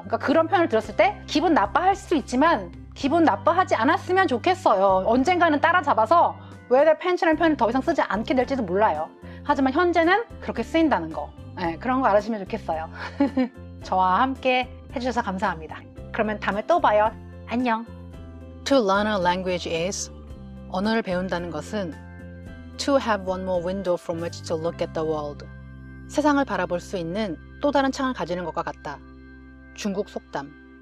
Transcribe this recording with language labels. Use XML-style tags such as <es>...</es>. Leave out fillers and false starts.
<ko>그러니까 그런 표현을 들었을 때 기분 나빠할 수도 있지만 기분 나빠하지 않았으면 좋겠어요. 언젠가는 따라잡아서</ko> <en>wear the pants</en> <ko>라는 표현을 더 이상 쓰지 않게 될지도 몰라요. 하지만 현재는 그렇게 쓰인다는 거. 네, 그런 거 알았으면 좋겠어요. 저와 함께 해주셔서 감사합니다. 그러면 다음에 또 봐요. 안녕.</ko> <en>To learn a language is</en> <ko>언어를 배운다는 것은</ko> <en>to have one more window from which to look at the world.</en> <ko>세상을 바라볼 수 있는 또 다른 창을 가지는 것과 같다. 중국 속담.</ko>